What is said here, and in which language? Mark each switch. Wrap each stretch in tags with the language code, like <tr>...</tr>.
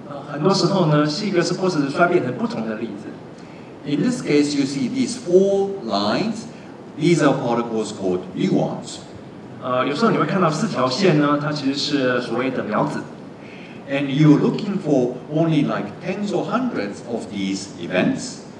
<zh>很多时候呢，希格斯波色子衰变成不同的粒子。</zh> <en>In this case, you see these four lines. These are particles called muons.</en> <zh>有时候你会看到四条线呢，它其实是所谓的苗子。</zh> <en>And you're looking for only like tens or hundreds of these events.</en>